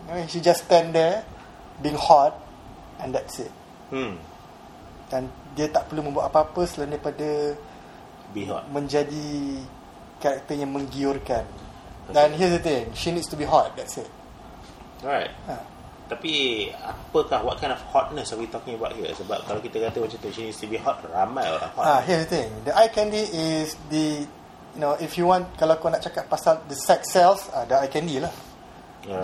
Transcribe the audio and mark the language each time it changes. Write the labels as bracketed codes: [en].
[en] She just stand there being hot and that's it. [ms] Dan dia tak perlu membuat apa-apa selain daripada [en] be hot, [ms] menjadi karakter yang menggiurkan. [en] Dan okay, here's the thing, she needs to be hot, that's it. Alright. [ms] Tapi apakah, [en] what kind of hotness are we talking about here? [ms] Sebab kalau kita kata macam tu, [en] she needs to be hot, [ms] ramai orang hot. [en] Here's the thing, the eye candy is the, you know, if you want, [ms] kalau kau nak cakap pasal [en] the sex cells, the eye candy lah. Yeah.